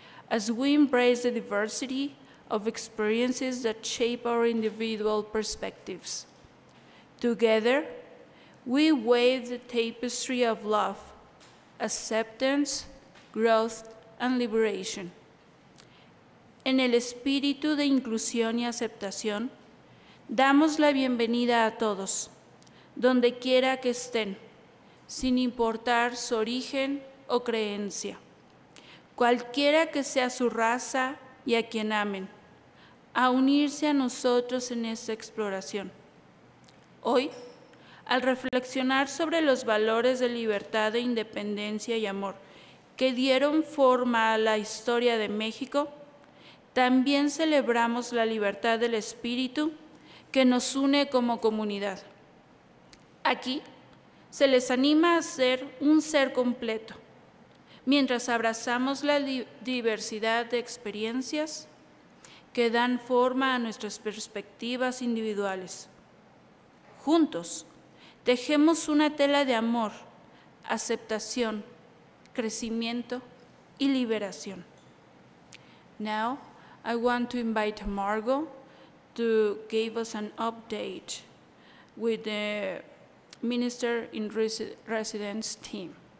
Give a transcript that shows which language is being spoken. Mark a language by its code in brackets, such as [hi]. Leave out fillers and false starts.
[en] As we embrace the diversity of experiences that shape our individual perspectives, together, we weave the tapestry of love, acceptance, growth, and liberation. [es] En el espíritu de inclusión y aceptación, damos la bienvenida a todos, donde quiera que estén, sin importar su origen o creencia, cualquiera que sea su raza y a quien amen, a unirse a nosotros en esta exploración. Hoy, al reflexionar sobre los valores de libertad, independencia y amor que dieron forma a la historia de México, también celebramos la libertad del espíritu que nos une como comunidad. Aquí se les anima a ser un ser completo, mientras abrazamos la diversidad de experiencias que dan forma a nuestras perspectivas individuales. Juntos, tejemos una tela de amor, aceptación, crecimiento y liberación. [en] Now, I want to invite Margo to give us an update with the Minister in Residence team.